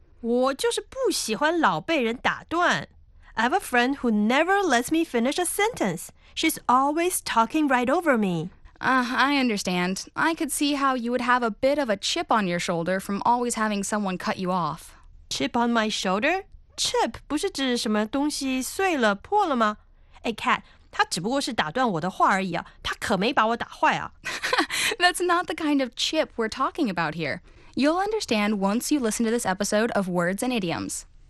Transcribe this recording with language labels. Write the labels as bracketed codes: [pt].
[zh] 我就是不喜欢老被人打断。 [en] I have a friend who never lets me finish a sentence. She's always talking right over me. I understand. I could see how you would have a bit of a chip on your shoulder from always having someone cut you off. Chip on my shoulder? [zh] Chip 不是指什么东西碎了破了吗？哎 ，Cat， 他只不过是打断我的话而已啊，他可没把我打坏啊。 [en] That's not the kind of chip we're talking about here. You'll understand once you listen to this episode of Words and Idioms.